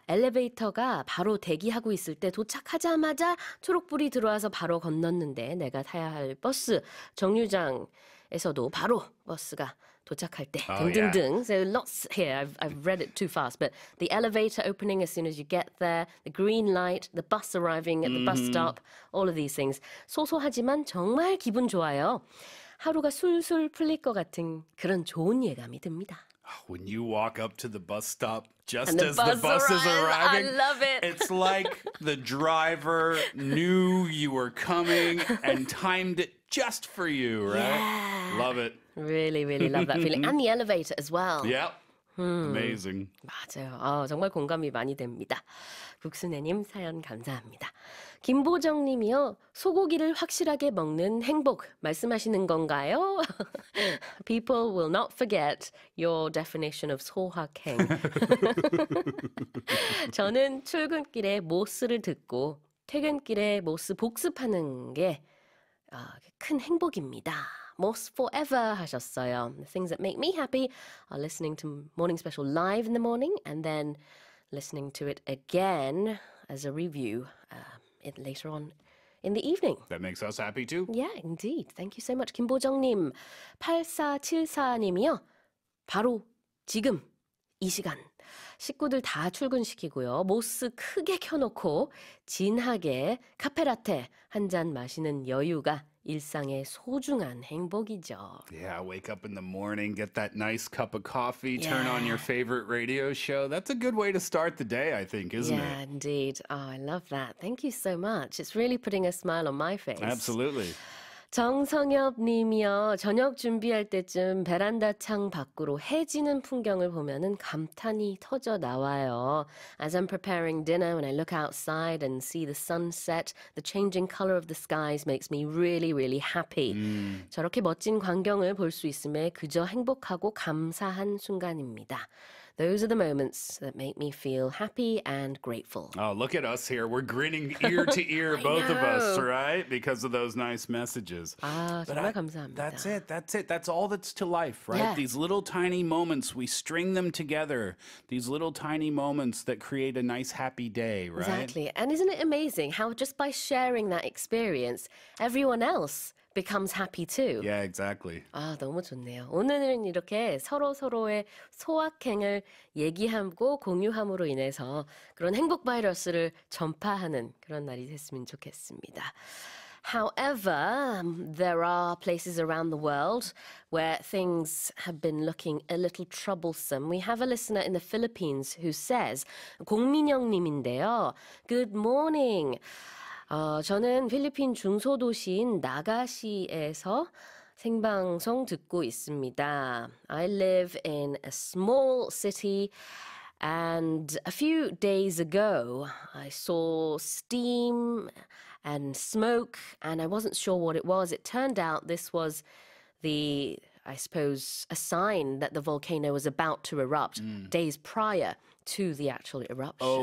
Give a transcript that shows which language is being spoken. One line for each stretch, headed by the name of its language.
Korean: 엘리베이터가 바로 대기하고 있을 때 도착하자마자 초록불이 들어와서 바로 건넜는데 내가 타야 할 버스 정류장에서도 바로 버스가 도착할 때 등등등.
English: Oh, yeah. So lots here. I've read it too fast. But the elevator opening as soon as you get there, the green light, the bus arriving at the bus stop, all of these things.
Korean: 소소하지만 정말 기분 좋아요. 하루가 술술 풀릴 것 같은 그런 좋은 예감이 듭니다.
English: When you walk up to the bus stop just the as bus the bus arrives, is arriving, I love it. It's like the driver knew you were coming and timed it just for you, right? Yeah. Love it. Really, really love that feeling. And the elevator as well. Yep. Amazing.
Korean: 맞아요. 아, 정말 공감이 많이 됩니다. 국순애님 사연 감사합니다. 김보정님이요. 소고기를 확실하게 먹는 행복 말씀하시는 건가요?
English: People will not forget your definition of 소확행.
Korean: 저는 출근길에 모스를 듣고 퇴근길에 모스 복습하는 게 큰 행복입니다.
English: Most forever
Korean: 하셨어요.
English: The things that make me happy are listening to Morning Special live in the morning and then listening to it again as a review later on in the evening. That makes us happy too. Yeah, indeed. Thank you so much, 김보정님. 8474님이요.
Korean: 바로 지금 이 시간 식구들 다 출근시키고요. 모스 크게 켜놓고 진하게 카페라테 한 잔 마시는 여유가 일상의 소중한 행복이죠.
English: Yeah, wake up in the morning, get that nice cup of coffee, yeah. turn on your favorite radio show. That's a good way to start the day, I think, isn't yeah, it? Yeah, indeed. Oh, I love that. Thank you so much. It's really putting a smile on my face. Absolutely.
Korean: 정성엽 님이요. 저녁 준비할 때쯤 베란다 창 밖으로 해지는 풍경을 보면은 감탄이 터져 나와요.
English: As I'm preparing dinner, when I look outside and see the sunset, the changing color of the skies makes me really, really happy.
Korean: 저렇게 멋진 광경을 볼 수 있음에 그저 행복하고 감사한 순간입니다.
English: Those are the moments that make me feel happy and grateful. Oh, look at us here. We're grinning ear to ear, both of us, right? Because of those nice messages.
Korean: 아, 정말 감사합니다.
English: That's it. That's it. That's all that's to life, right? Yeah. These little tiny moments, we string them together. These little tiny moments that create a nice, happy day, right? Exactly. And isn't it amazing how just by sharing that experience, everyone else becomes happy too. Yeah, exactly.
Korean: 아, 너무 좋네요. 오늘은 이렇게 서로 서로의 소확행을 얘기하고 공유함으로 인해서 그런 행복 바이러스를 전파하는 그런 날이 됐으면 좋겠습니다.
English: However, there are places around the world where things have been looking a little troublesome. We have a listener in the Philippines who says,
Korean: 공민영 님인데요.
English: Good morning.
Korean: 저는 필리핀 중소도시인 나가시에서 생방송 듣고 있습니다.
English: I live in a small city and a few days ago I saw steam and smoke and I wasn't sure what it was. It turned out this was the, I suppose, a sign that the volcano was about to erupt days prior to the actual eruption.